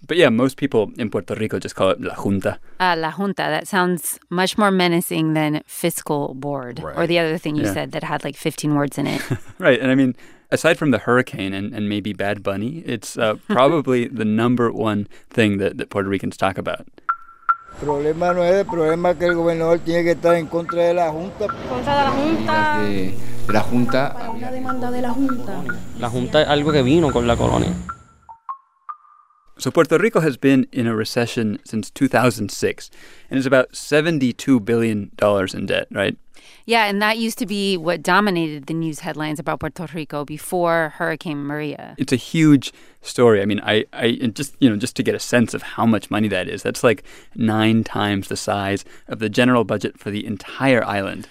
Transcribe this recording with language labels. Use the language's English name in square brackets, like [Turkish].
[English] But yeah, most people in Puerto Rico just call it La Junta. [Spanish] La Junta. [English] That sounds much more menacing than Fiscal Board, right? Or the other thing you said that had like 15 words in it. Right, and I mean... Aside from the hurricane and maybe Bad Bunny, it's probably the number one thing that Puerto Ricans talk about. [Spanish] Problema no es el problema que el gobernador tiene que estar en contra de la junta. Contra de la junta. La junta. La demanda de la junta. La junta es algo que vino con la colonia. [English] So Puerto Rico has been in a recession since 2006, and is about $72 billion in debt, right? Yeah, and that used to be what dominated the news headlines about Puerto Rico before Hurricane Maria. It's a huge story. I mean, I just to get a sense of how much money that is, that's like 9 times the size of the general budget for the entire island.